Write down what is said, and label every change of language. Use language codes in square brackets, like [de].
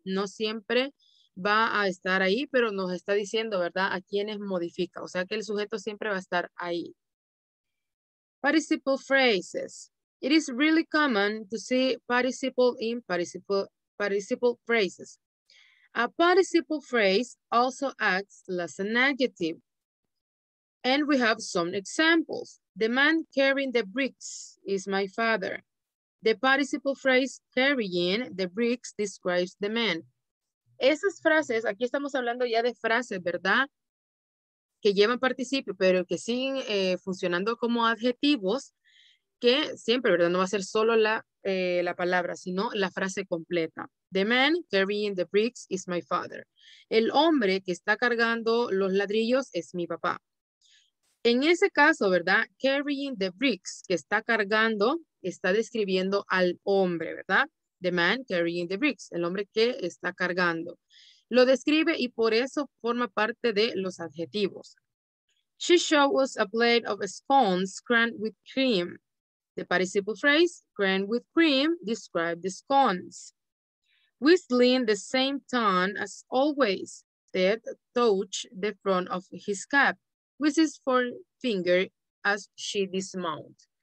[es] No siempre va a estar ahí, pero nos está diciendo, ¿verdad? A quienes modifica. O sea que el sujeto siempre va a estar ahí. [en] Participle phrases. It is really common to see participle in participle phrases. A participle phrase also acts as an adjective. And we have some examples. The man carrying the bricks is my father. The participle phrase carrying the bricks describes the man. [es] Esas frases, aquí estamos hablando ya de frases, ¿verdad? Que llevan participio, pero que siguen funcionando como adjetivos, que siempre, ¿verdad? No va a ser solo la palabra, sino la frase completa. [en] The man carrying the bricks is my father. [es] El hombre que está cargando los ladrillos es mi papá. En ese caso, ¿verdad? [en] Carrying the bricks, [es] que está cargando, está describiendo al hombre, ¿verdad? [en] The man carrying the bricks, [es] el hombre que está cargando. Lo describe y por eso forma parte de los adjetivos. [en] She shows a plate of scones crammed with cream. The participle phrase, crammed with cream, describes the scones. Whistling the same tone as always, Ted touched the front of his cap with his forefinger as she dismounted.